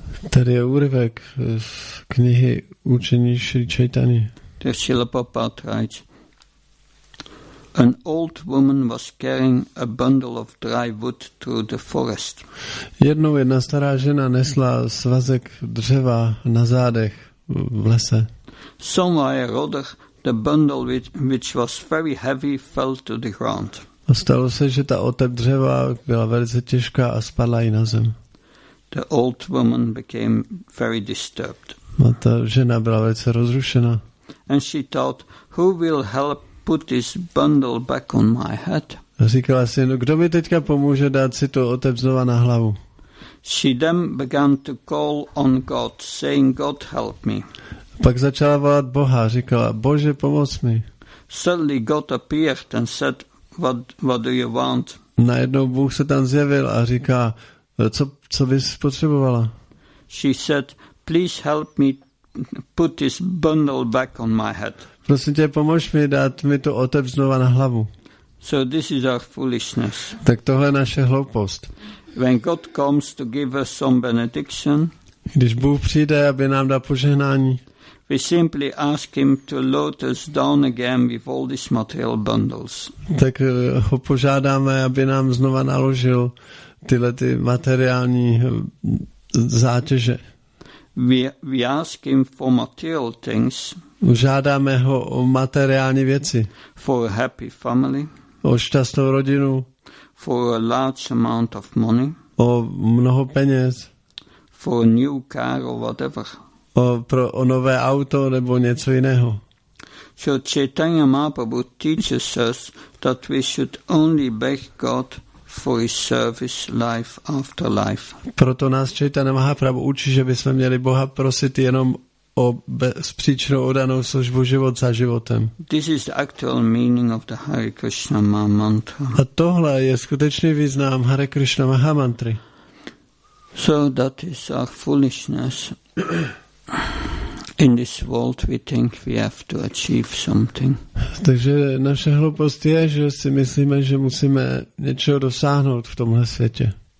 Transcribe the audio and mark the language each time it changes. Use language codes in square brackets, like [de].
[cs] Tady je úryvek z knihy učení Šri Chaitany. [en] There Srila Prabhupada writes, an old woman was carrying a bundle of dry wood through the forest. [cs] Jednou jedna stará žena nesla svazek dřeva na zádech v lese. [en] Somewhere or other, the bundle which was very heavy fell to the ground. [cs] A stalo se, že ta otep dřeva byla velice těžká a spadla i na zem. [en] The old woman became very disturbed. [cs] A ta žena byla velice rozrušena. [en] And she thought, who will help put this bundle back on my head? [cs] A říkala si, no, kdo mi teďka pomůže dát si tu otep znova na hlavu? [en] She then began to call on God, saying, God help me. [cs] Pak začala volat Boha, říkala, Bože, pomoz mi. [en] Suddenly God appeared and said, what do you want? [cs] Najednou Bůh se tam zjevil a říká, co bys potřebovala? [en] She said, please help me put this bundle back on my head. [cs] Prosím tě, pomož mi dát mi tu otev znova na hlavu. [en] So this is our foolishness. [cs] Tak tohle je naše hloupost. [en] When God comes to give us some benediction, [cs] když Bůh přijde, aby nám dal požehnání, [en] we simply ask him to load us down again with all these material bundles. [cs] Tak ho požádáme, aby nám znova naložil tyhle ty materiální zátěže. [en] We ask him for material things. [cs] Žádáme ho o materiální věci. [en] For a happy family. [cs] O šťastnou rodinu. [en] For a large amount of money. [cs] O mnoho peněz. [en] For a new car or whatever. [cs] O nové auto nebo něco jiného. [en] So Chaitanya Mahaprabhu teaches us that we should only beg God for his service life after life. [cs] Proto nás Chaitanya Mahaprabhu učí, že bychom měli Boha prosit jenom o bezpříčnou odanou službu život za životem. [en] This is the actual meaning of the Hare Krishna Mahamantra. [cs] A tohle je skutečný význam Hare Krishna Mahamantry. [en] So that is our foolishness. In this world we think we have to achieve something. [cs] Takže naše hloupost je, že si myslíme, že musíme něčeho dosáhnout v tomhle světě.